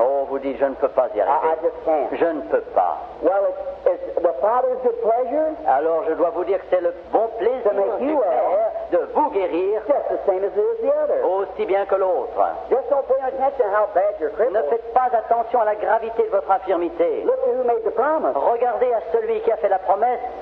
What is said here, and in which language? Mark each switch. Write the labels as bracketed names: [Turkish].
[French] Oh, vous dites, je ne peux pas y arriver. [English] I just can't. [French] Je ne peux pas. [English] Well, it's the Father's good pleasure. [French] Alors, je dois vous dire que c'est le bon plaisir [English] to make you [French] du Père [English] well, [French] de vous guérir [English] just the same as it is the other. [French] Aussi bien que l'autre. [English] Just don't pay attention to how bad you're crippled. [French] Ne faites pas attention à la gravité de votre infirmité. [English] Look at who made the promise. [French] Regardez à celui qui a fait la promesse.